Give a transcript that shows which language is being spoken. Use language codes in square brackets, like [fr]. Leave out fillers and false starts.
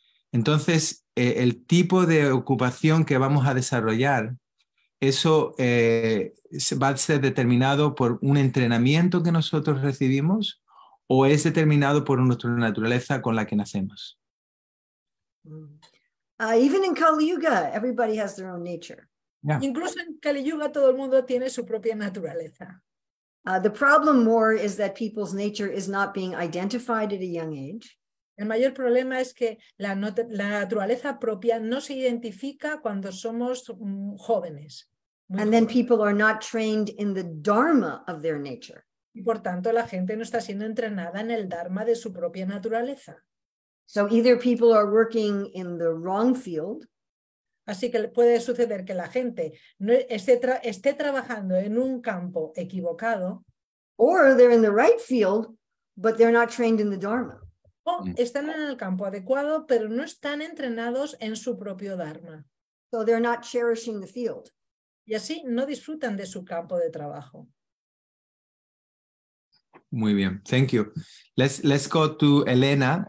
[es] Entonces, el tipo de ocupación que vamos a desarrollar, eso va a ser determinado por un entrenamiento que nosotros recibimos o es determinado por nuestra naturaleza con la que nacemos. [en] Even in Kali Yuga, everybody has their own nature. Yeah. [es] Incluso en Kali Yuga, todo el mundo tiene su propia naturaleza. [en] The problem more is that people's nature is not being identified at a young age. [es] El mayor problema es que la naturaleza propia no se identifica cuando somos jóvenes. [en] And then people are not trained in the dharma of their nature. [es] Y por tanto, la gente no está siendo entrenada en el dharma de su propia naturaleza. [en] So either people are working in the wrong field. [es] Así que puede suceder que la gente no esté trabajando en un campo equivocado. [en] Or they're in the right field, but they're not trained in the dharma. [es] O están en el campo adecuado, pero no están entrenados en su propio dharma. [en] So they're not cherishing the field. [es] Y así no disfrutan de su campo de trabajo. Muy bien, [en] thank you. Let's go to Elena.